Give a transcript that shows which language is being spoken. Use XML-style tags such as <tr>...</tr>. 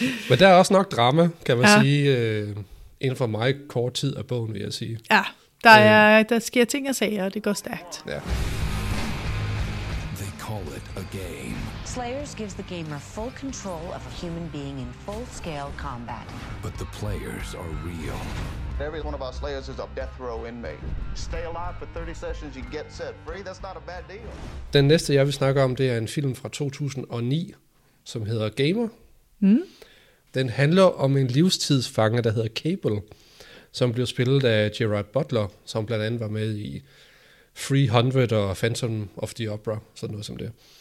<da>Men der er også nok drama, kan man sige, inden for meget kort tid af bogen, vil jeg sige. Ja, der sker ting og sager, og det går stærkt. Ja.</da> <en>Call it a game. Slayers gives the gamer full control of a human being in full-scale combat. But the players are real. Every one of our Slayers is a death row inmate. Stay alive for 30 sessions, you get set free. That's not a bad deal.</en> <da>Den næste, jeg vil snakke om, det er en film fra 2009, som hedder Gamer. Mm. Den handler om en livstidsfange, der hedder Cable, som blev spillet af Gerard Butler, som blandt andet var med i 300 og Phantom of the Opera, sådan noget som det.</da>